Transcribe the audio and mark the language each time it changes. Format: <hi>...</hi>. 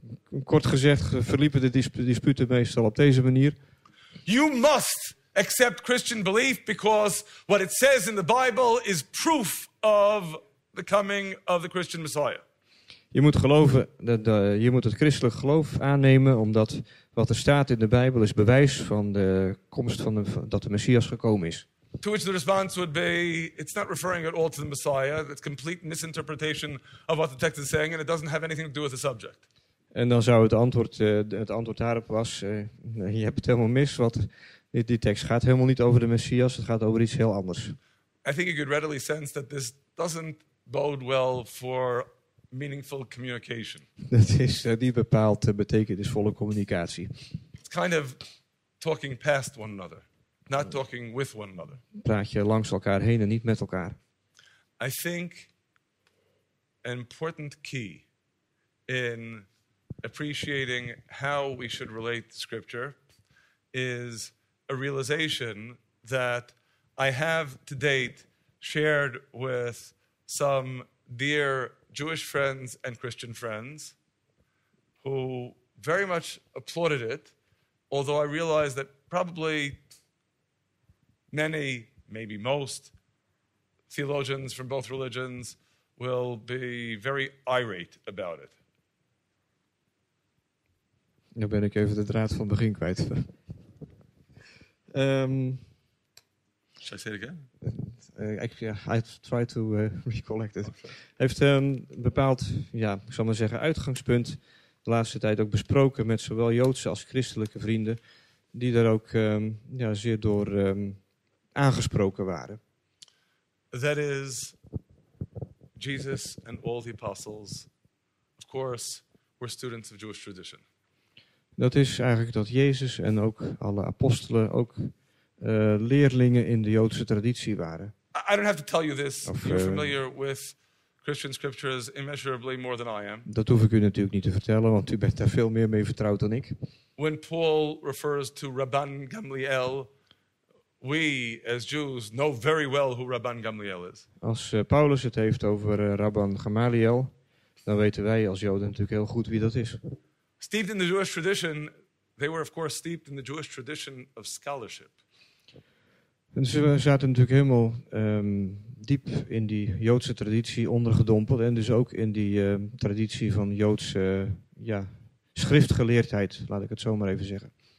<nl>En kort gezegd verliepen de disputen meestal op deze manier.</nl> <en>You must accept Christian belief because what it says in the Bible is proof of the coming of the Christian Messiah.</en> <nl>Je moet geloven, je moet het christelijk geloof aannemen, omdat wat er staat in de Bijbel is bewijs van de komst van dat de Messias gekomen is.</nl> <en>To which the response would be, it's not referring at all to the Messiah. It's complete misinterpretation of what the text is saying, and it doesn't have anything to do with the subject.</en> <nl>En dan zou het antwoord daarop was, je hebt het helemaal mis. Die tekst gaat helemaal niet over de Messias. Het gaat over iets heel anders.</nl> <en>I think you could readily sense that this doesn't bode well for meaningful communication.</en> <nl>Dat is niet bepaald betekenisvolle communicatie.</nl> <en>It's kind of talking past one another, not talking with one another.</en> <nl>Praat je langs elkaar heen en niet met elkaar.</nl> <en>I think an important key in appreciating how we should relate to scripture is a realization that I have to date shared with some dear Jewish friends and Christian friends who very much applauded it, although I realize that probably many, maybe most, theologians from both religions will be very irate about it.</en> <nl>Nu ben ik even de draad van het begin kwijt.</nl> <en>Should I say it again? I try to recollect it.</en> <nl>Heeft een bepaald, ja, ik zal maar zeggen, uitgangspunt de laatste tijd ook besproken met zowel Joodse als christelijke vrienden, die daar ook zeer door aangesproken waren.</nl> <en>That is Jesus and all the apostles, of course, were students of Jewish tradition.</en> <nl>Dat is eigenlijk dat Jezus en ook alle apostelen ook leerlingen in de Joodse traditie waren.</nl> <en>I don't have to tell you this. You're familiar with Christian scriptures immeasurably more than I am.</en> <nl>Dat hoef ik u natuurlijk niet te vertellen, want u bent daar veel meer mee vertrouwd dan ik.</nl> <en>When Paul refers to Rabban Gamliel, we as Jews know very well who Rabban Gamliel is.</en> <nl>Als Paulus het heeft over Rabban Gamaliel, dan weten wij als Joden natuurlijk heel goed wie dat is.</nl> <en>Steeped in the Jewish tradition, they were of course steeped in the Jewish tradition of scholarship.</en> <nl>En ze zaten natuurlijk helemaal diep in die Joodse traditie ondergedompeld. En dus ook in die traditie van Joodse schriftgeleerdheid, laat ik het zo maar even zeggen.</nl>